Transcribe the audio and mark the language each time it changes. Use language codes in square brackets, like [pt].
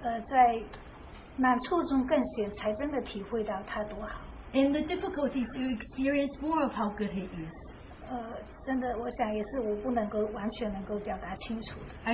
[zh] 在难处中更显才真的体会到他多好。 [en] In the difficulties, you experience more of how good he is. [zh] 真的，我想也是我不能够完全能够表达清楚的。 [en] I